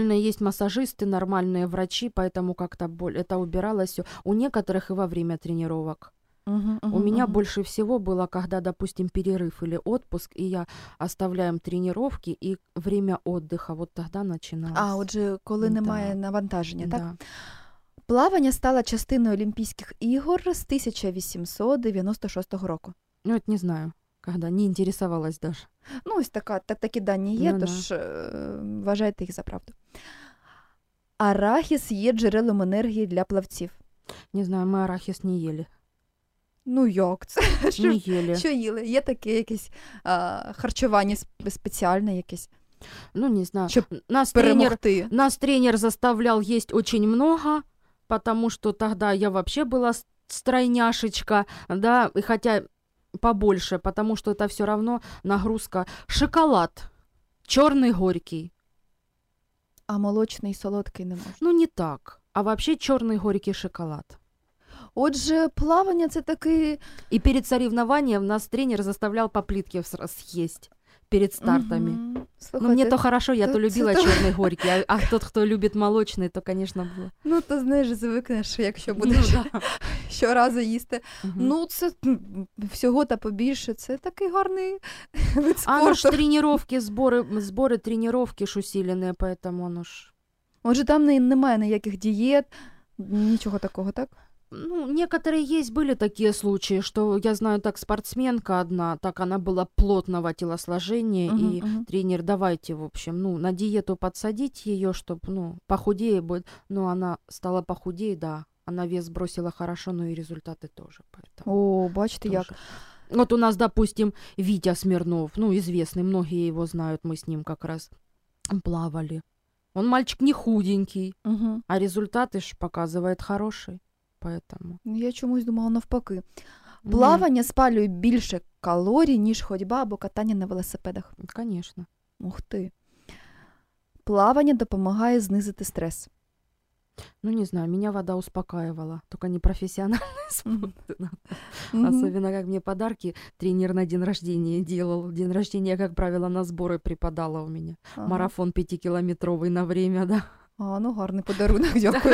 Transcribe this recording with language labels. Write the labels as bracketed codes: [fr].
[ru] Нормальные есть массажисты, нормальные врачи, поэтому как-то боль, это убиралось. У некоторых и во время тренировок. У меня больше всего было, когда, допустим, перерыв или отпуск, и я оставляем тренировки и время отдыха. Вот тогда начиналось. [uk] А, отже, коли немає навантаження, так? Плавання стало частиною Олімпійських ігор з 1896 року. Ну, от не знаю. [ru] Когда не интересовалась даже. [uk] Ну, ось така, такі дані є, ну, тож вважайте їх за правду. Арахіс є джерелом енергії для плавців. Не знаю, ми арахіс не їли. Ну, як це? Не що, їли. Що їли? Є таке якесь харчування спеціальне якесь? Ну, не знаю. Щоб нас перемогти. Нас тренер заставляв їсти дуже багато, тому що тоді я взагалі була стройняшечка, да, і хоча... [ru] побольше, потому что это все равно нагрузка. Шоколад черный горький. [uk] А молочний солодкий не можна? Ну, не так. А взагалі чорний горький шоколад. Отже, плавання це таки... І перед соревнованням нас тренер заставляв по плитці з'їсти. Перед стартами. Угу. Ну, мені то хорошо, я то любила чорний горький, а тот, хто любить молочний, то, звісно, було. Ну, то, знаєш, звикнеш, якщо будеш щоразу їсти. Угу. Ну, це всього та побільше, це такий гарний вид спорту. А ну ж тренувки, збори тренувки ж усилені, [ru] поэтому оно ж... [uk] Отже, там немає ніяких дієт, нічого такого, так? [ru] Ну, некоторые есть были такие случаи, что я знаю, так спортсменка одна, так она была плотного телосложения, uh-huh, и uh-huh. тренер, давайте, в общем, ну, на диету подсадить ее, чтобы, ну, похудее будет. Ну, она стала похудее, да, она вес бросила хорошо, но и результаты тоже. [uk] О, бачите, [ru] как. Вот у нас, допустим, Витя Смирнов, ну, известный, многие его знают, мы с ним как раз плавали. Он мальчик не худенький, uh-huh. а результаты ж показывает хорошие. Поэтому. [uk] Я чомусь думала навпаки. Плавання спалює більше калорій, ніж ходьба або катання на велосипедах. Звісно. Ух ти. Плавання допомагає знизити стрес. Ну, не знаю, мене вода [ru] успокаивала. [uk] Только не професіональний спорт. [ru] Особенно, як мені подарки тренер на день рождения делал. [uk] День рождения, як правило, на збори припадала у мене. Ага. Марафон 5-кілометровий [ru] на время, да. [uk] А, ну, гарний подарунок, дякую.